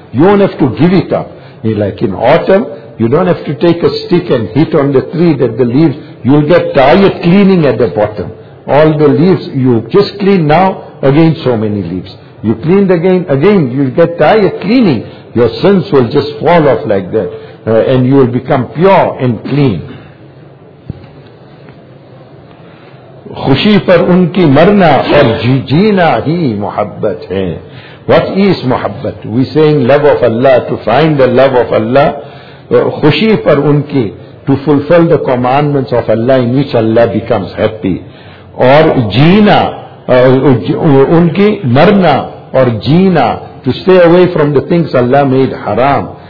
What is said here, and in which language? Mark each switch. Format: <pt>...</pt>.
<en>You don't have to give it up. Like in autumn, you don't have to take a stick and hit on the tree that the leaves, you'll get tired cleaning at the bottom. All the leaves, you just clean now, again so many leaves. You clean again, you'll get tired cleaning. Your sins will just fall off like that. And you will become pure and clean.</en> <ur>خوشی پر ان کی مرنا اور جینا ہی محبت ہے.</ur> <en>What is محبت? We saying love of Allah, to find the love of Allah.</en> <ur>خوشی پر ان کی,</ur> <en>to fulfill the commandments of Allah, in which Allah becomes happy.</en> <ur>اور جینا, ان کی مرنا اور جینا,</ur> <en>to stay away from the things Allah made haram.</en>